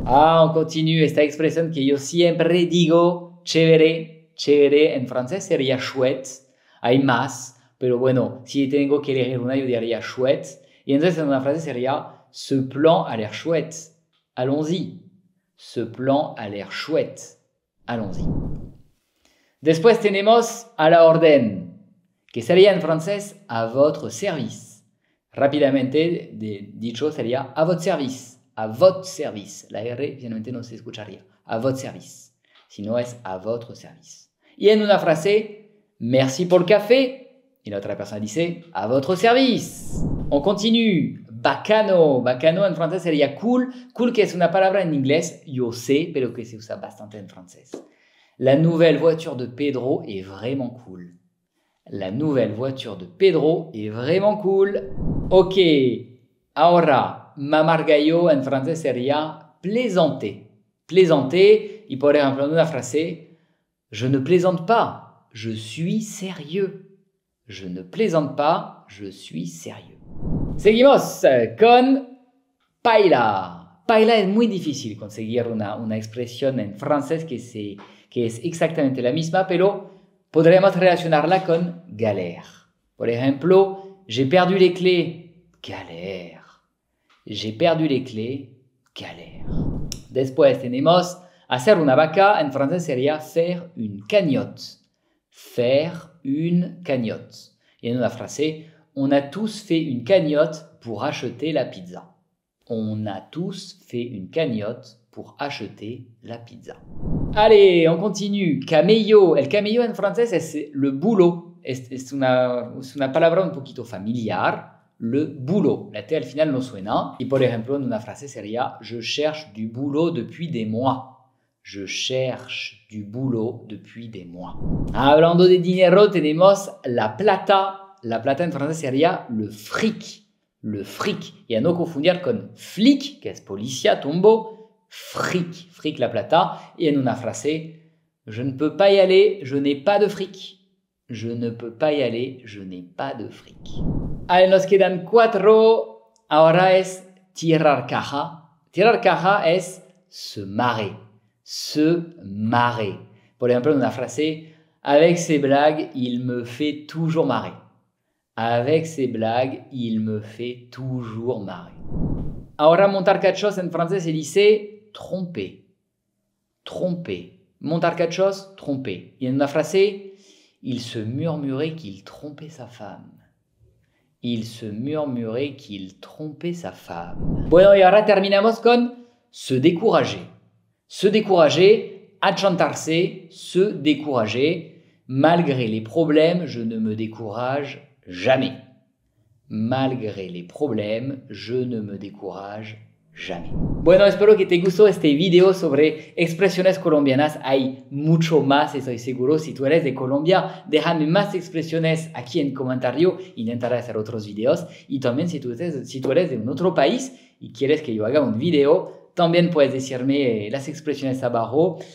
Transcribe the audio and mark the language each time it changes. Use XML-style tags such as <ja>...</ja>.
<fr>Ah, on continue.</fr> <es>Esta expresión que yo siempre digo, chévere, chévere, en francés sería chouette. Hay más, pero bueno, si tengo que elegir una, yo diría chouette. Y entonces en una frase sería,</es> <fr>ce plan a l'air chouette. Allons-y. Ce plan a l'air chouette. Allons-y.</fr> <es>Después tenemos a la orden, que sería en francés</es> <fr>a votre service.</fr> <es>Rápidamente dicho sería</es> <fr>a votre service, a votre service.</fr> <es>La R finalmente no se escucharía,</es> <fr>a votre service,</fr> <es>sino es a votre service. Y en una frase,</es> <fr>merci pour le café,</fr> <es>y la otra persona dice</es> <fr>a votre service.</fr> <es>On continue, bacano, bacano en francés sería cool, cool que es una palabra en inglés, yo sé, pero que se usa bastante en francés.</es> <fr>La nouvelle voiture de Pedro est vraiment cool. La nouvelle voiture de Pedro est vraiment cool.</fr> <es>Ok, ahora, mamar gallo en francés sería plaisanter.</es> <fr>Plaisanter,</fr> <es>y por ejemplo en una frase,</es> <fr>je ne plaisante pas, je suis sérieux. Je ne plaisante pas, je suis sérieux.</fr> <es>Seguimos con paila. Paila es muy difícil conseguir una expresión en francés que es exactamente la misma, pero podríamos relacionarla con galère. Por ejemplo,</es> <fr>j'ai perdu les clés, galère. J'ai perdu les clés, galère.</fr> <es>Después tenemos hacer una vaca, en francés sería faire une cagnotte.</es> <fr>Faire une cagnotte.</fr> <es>Y en una frase,</es> <fr>on a tous fait une cagnotte pour acheter la pizza. On a tous fait une cagnotte pour acheter la pizza. Allez, on continue.</fr> <es>Camello. El camello en francés es</es> <fr>le boulot.</fr> <es>Es una palabra un poquito familiar.</es> <fr>Le boulot.</fr> <es>La T al final no suena. Y por ejemplo, en una frase sería</es> <fr>je cherche du boulot depuis des mois. Je cherche du boulot depuis des mois.</fr> <es>Hablando de dinero, tenemos la plata. La plata en francés sería</es> <fr>le fric. Le fric.</fr> <es>Y a no confundir con flic, que es policía, tombo.</es> <fr>Fric, fric</fr> <es>la plata, y en una frase,</es> <fr>je ne peux pas y aller, je n'ai pas de fric. Je ne peux pas y aller, je n'ai pas de fric.</fr> <es>Allez, nos quedan cuatro. Ahora es tirar caja. Tirar caja es</es> <fr>se marrer. Se marrer.</fr> <es>Por ejemplo, en una frase,</es> <fr>avec ses blagues, il me fait toujours marrer. Avec ses blagues, il me fait toujours marrer.</fr> <es>Ahora, montar cachos en francés se dice tromper. Tromper. Montar cachos, tromper. Y en una frase,</es> <fr>il se murmurait qu'il trompait sa femme. Il se murmurait qu'il trompait sa femme.</fr> <es>Bueno, y ahora terminamos con</es> <fr>se décourager. Se décourager, achantarse, se décourager. Malgré les problèmes, je ne me décourage jamais. Malgré les problèmes, je ne me décourage jamais.</fr> <es>Bueno, espero que te gustó este video sobre expresiones colombianas. Hay mucho más, estoy seguro. Si tú eres de Colombia, déjame más expresiones aquí en comentario. Intentaré hacer otros videos. Y también si tú eres de un otro país y quieres que yo haga un video, también puedes decirme las expresiones abajo.</es>